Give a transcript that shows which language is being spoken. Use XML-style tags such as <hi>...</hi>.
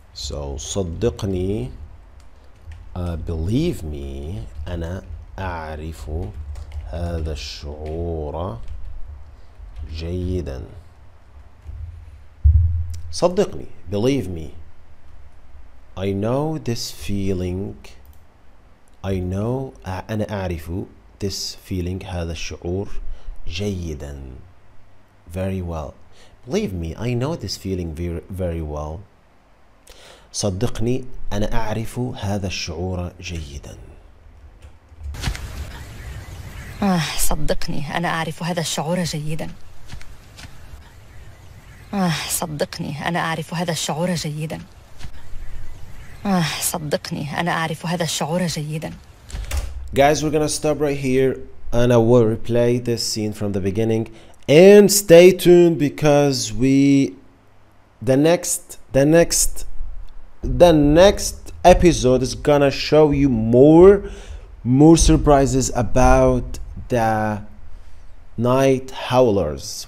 <ar>So صدقني</ar> <en>believe me</en> <ar>أنا أعرف هذا الشعور جيدا. صدقني</ar> <en>believe me I know this feeling. I know</en> <ar>أنا أعرف</ar> <en>this feeling,</en> <ar>هذا الشعور جيدا.</ar> <en>Very well. Believe me, I know this feeling very well.</en> <ar>صدقني أنا أعرف هذا الشعور جيدا. صدقني أنا أعرف هذا الشعور جيدا. صدقني أنا أعرف هذا الشعور جيدا. صدقني أنا أعرف هذا الشعور جيدا.</ar> <en>Guys, we're gonna stop right here and I will replay this scene from the beginning. And stay tuned because the next episode is gonna show you more surprises about the night howlers.</en>